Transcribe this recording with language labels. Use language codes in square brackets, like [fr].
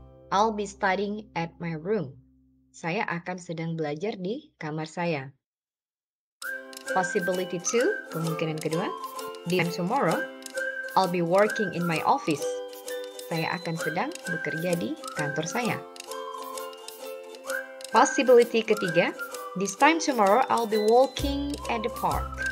[en] I'll be studying at my room. [id] Saya akan sedang belajar di kamar saya. [en] Possibility 2, [id] kemungkinan kedua. [en] This time tomorrow, I'll be working in my office. [id] Saya akan sedang bekerja di kantor saya. [en] Possibility ketiga, this time tomorrow, I'll be walking at the park.